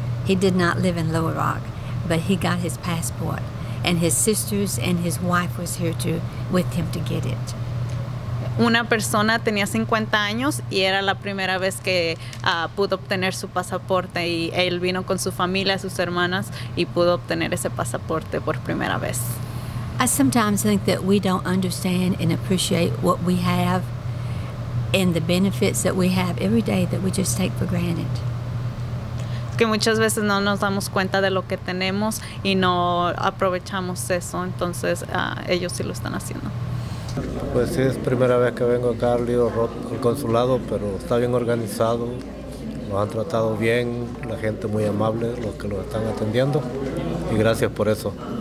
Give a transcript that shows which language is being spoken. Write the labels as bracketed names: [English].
[English] He did not live in Little Rock, but he got his passport, and his sisters and his wife was here too with him to get it. [Spanish] una persona tenía 50 años y era la primera vez que pudo obtener su pasaporte, y él vino con su familia, sus hermanas, y pudo obtener ese pasaporte por primera vez. [English] I sometimes think that we don't understand and appreciate what we have and the benefits that we have every day that we just take for granted. [Spanish] Que muchas veces no nos damos cuenta de lo que tenemos y no aprovechamos eso, entonces ellos sí lo están haciendo. Pues sí, es primera vez que vengo acá al consulado, pero está bien organizado, lo han tratado bien, la gente muy amable, los que lo están atendiendo, y gracias por eso.